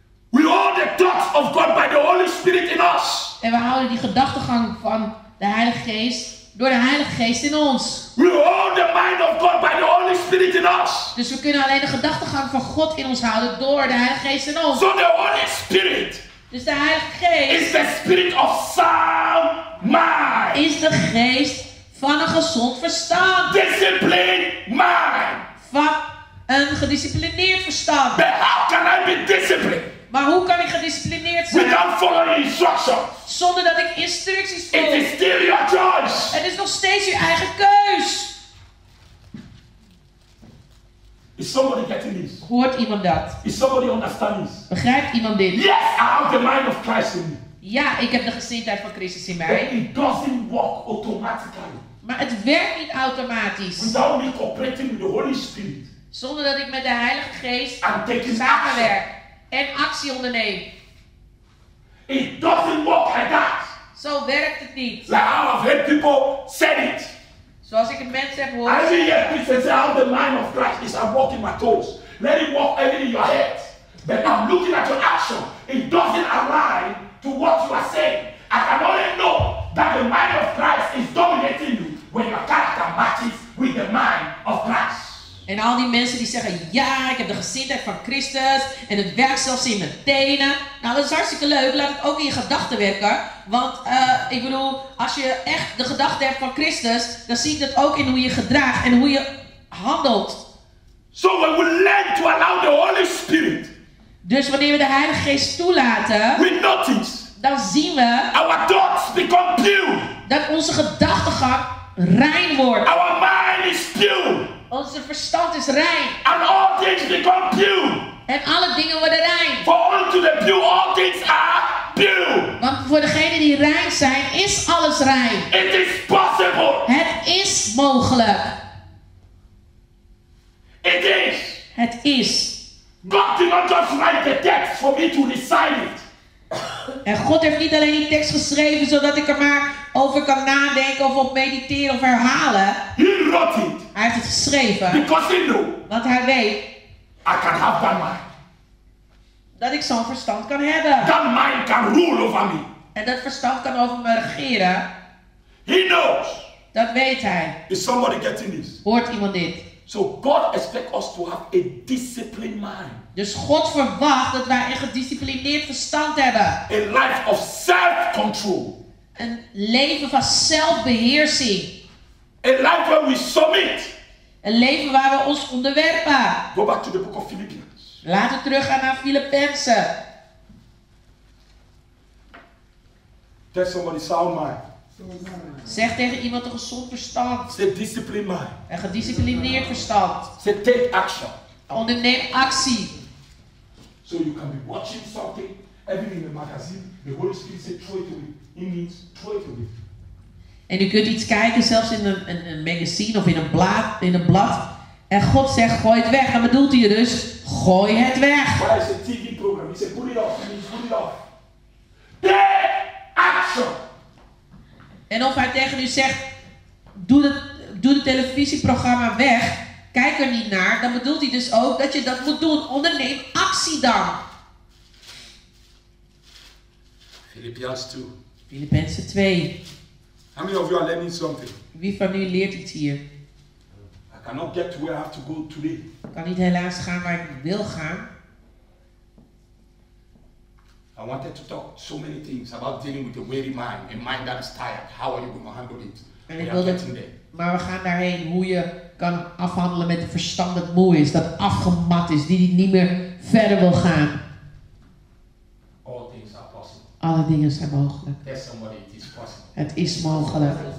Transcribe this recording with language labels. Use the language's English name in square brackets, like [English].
[English] We hold the thoughts of God by the Holy Spirit in us. [Dutch] En we houden die gedachtegang van de Heilige Geest door de Heilige Geest in ons. [English] We hold the mind of God by the Holy Spirit in us. [Dutch] Dus we kunnen alleen de gedachtegang van God in ons houden door de Heilige Geest in ons. [English] So the Holy Spirit. [Dutch] Dus de Heilige Geest. [English] Is the Spirit of sound mind. [Dutch] Is de Geest van een gezond verstand. [English] Discipline mind. [Dutch] Van een gedisciplineerd verstand. [English] But how can I be disciplined? [Dutch] Maar hoe kan ik gedisciplineerd zijn? [English] Without following instructions. [Dutch] Zonder dat ik instructies volg. [English] It is still your choice. [Dutch] Het is nog steeds je eigen keus. [English] Is somebody getting this? [Dutch] Hoort iemand dat? [English] Is somebody understanding this? [Dutch] Begrijpt iemand dit? [English] Yes, I have the mind of Christ in me. [Dutch] Ja, ik heb de gezindheid van Christus in mij. [English] But it doesn't work automatically. [Dutch] Maar het werkt niet automatisch. [English] Without me cooperating with the Holy Spirit. [Dutch] Zonder dat ik met de Heilige Geest samenwerk en actie onderneem. [English] It doesn't work like that. [Dutch] Zo werkt het niet. [English] Like how I've heard people say it. [Dutch] Zoals ik het mensen heb gehoord. [English] I hear people say how the mind of Christ is at work in my toes. Let it work early in your head. But I'm looking at your action. It doesn't align to what you are saying. I can only know that the mind of Christ is dominating you when your character matches with the mind of Christ. [Dutch] En al die mensen die zeggen, ja, ik heb de gezindheid van Christus en het werkt zelfs in mijn tenen. Nou, dat is hartstikke leuk. Laat het ook in je gedachten werken. Want ik bedoel, als je echt de gedachte hebt van Christus, dan zie ik dat ook in hoe je gedraagt en hoe je handelt. [English] So when we learn to allow the Holy Spirit. [Dutch] Dus wanneer we de Heilige Geest toelaten, [English] we notice, [Dutch] dan zien we [English] our thoughts become pure. [Dutch] Dat onze gedachtegang rein wordt. [English] Our mind is pure. [Dutch] Onze verstand is rein. [English] And all things become pure. [Dutch] En alle dingen worden rein. [English] For unto the pure, all things are pure. [Dutch] Want voor degenen die rein zijn, is alles rein. [English] It is possible. [Dutch] Het is mogelijk. [English] It is. [Dutch] Het is. [English] God did not just write the text for me to recite it. [Dutch] En God heeft niet alleen die tekst geschreven zodat ik er maar over kan nadenken of op mediteren of herhalen. [English] He wrote it. [Dutch] Hij heeft het geschreven. [English] Because he knew. [Dutch] Want hij weet. [English] I can have that mind. [Dutch] Dat ik zo'n verstand kan hebben. [English] That mind can rule over me. [Dutch] En dat verstand kan over me regeren. [English] He knows. [Dutch] Dat weet hij. [English] Is somebody getting this? [Dutch] Hoort iemand dit? [English] So God expects us to have a disciplined mind. [Dutch] Dus God verwacht dat wij een gedisciplineerd verstand hebben. [English] A life of self-control. [Dutch] Een leven van zelfbeheersing. [English] A life where we submit. [Dutch] Een leven waar we ons onderwerpen. [English] Go back to the book of Philippians. [Dutch] Laten we teruggaan naar Filippenzen. [English] Tell somebody sound mind. [Dutch] Zeg tegen iemand een gezond verstand. [English] Say discipline mind. [Dutch] Een gedisciplineerd verstand. [English] Say take action. [Dutch] Onderneem actie. [English] So you can be watching something, everything in the magazine, the Holy Spirit say throw it away. It means throw it away. [Dutch] En u kunt iets kijken, zelfs in een magazine of in een blad. En God zegt, gooi het weg. En bedoelt hij dus, gooi het weg. [English] Why is a TV program? He said, put it off. He means put it off. Take action. [Dutch] En of hij tegen u zegt, doe het televisieprogramma weg. Kijk er niet naar. Dan bedoelt hij dus ook dat je dat moet doen. Onderneem actie dan. [English] Filippians 2. [Dutch] Filippenzen 2. [English] How many of you are learning something? [Dutch] Wie van u leert iets hier? [English] I cannot get to where I have to go today. [Dutch] Ik kan niet helaas gaan waar ik wil gaan. [English] I wanted to talk so many things about dealing with a weary mind, a mind that is tired. How are you going to handle it? [Dutch] En ik wilde, maar we gaan daarheen hoe je kan afhandelen met een verstand dat moe is, dat afgemat is, die niet meer verder wil gaan. [English] All things are possible. [Dutch] Alle dingen zijn mogelijk. [English] Tell somebody it is possible. [Dutch] Het is mogelijk.